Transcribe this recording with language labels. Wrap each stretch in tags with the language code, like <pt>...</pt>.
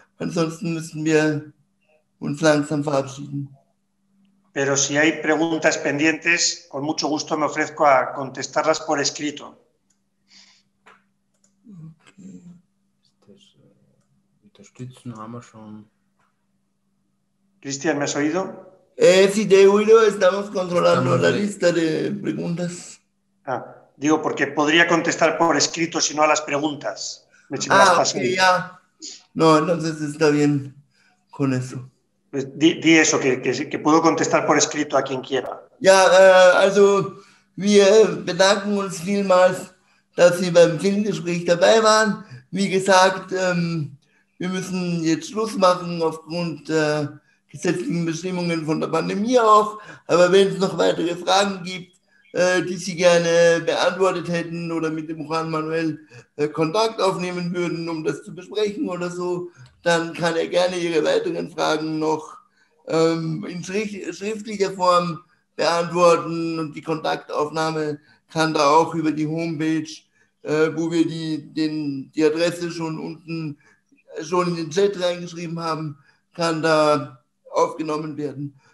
<de>Ansonsten müssen wir uns langsam verabschieden.</de> <es>Pero si hay preguntas pendientes, con mucho gusto me ofrezco a contestarlas por escrito. Okay.</es> <de>Unterstützen haben wir schon.</de> <es>Cristian, ¿me has oído? Sí, te he oído. Estamos controlando la lista de preguntas. Ah, digo, porque podría contestar por escrito, si no a las preguntas. Ya. No, entonces está bien con eso. Pues di eso, que puedo contestar por escrito a quien quiera.</es> <de>Ya, also wir bedanken uns vielmals, dass Sie beim Filmgespräch dabei waren. Wie gesagt, wir müssen jetzt Schluss machen aufgrund gesetzlichen Bestimmungen von der Pandemie auch. Aber wenn es noch weitere Fragen gibt, die Sie gerne beantwortet hätten oder mit dem Juan Manuel Kontakt aufnehmen würden, um das zu besprechen oder so, dann kann er gerne Ihre weiteren Fragen noch in schriftlicher Form beantworten und die Kontaktaufnahme kann da auch über die Homepage, wo wir die Adresse schon unten schon in den Chat reingeschrieben haben, kann da aufgenommen werden.</de>